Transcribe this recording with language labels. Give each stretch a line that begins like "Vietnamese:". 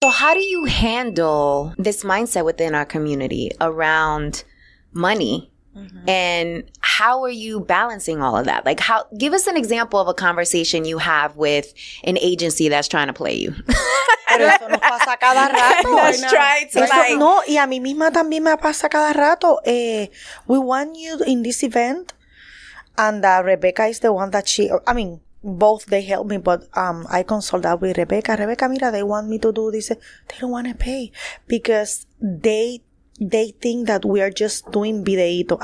English: So how do you handle this mindset within our community around money? Mm-hmm. And how are you balancing all of that? Like, how, give us an example of a conversation you have with an agency that's trying to play you.
Spanish: No, y a mí misma también me pasa cada rato.
English: We want you in this event, and Rebecca is the one that she, I mean, both they help me, but I consult that with Rebecca. Rebecca, mira, they want me to do this. They don't want to pay because they think that we are just doing videito.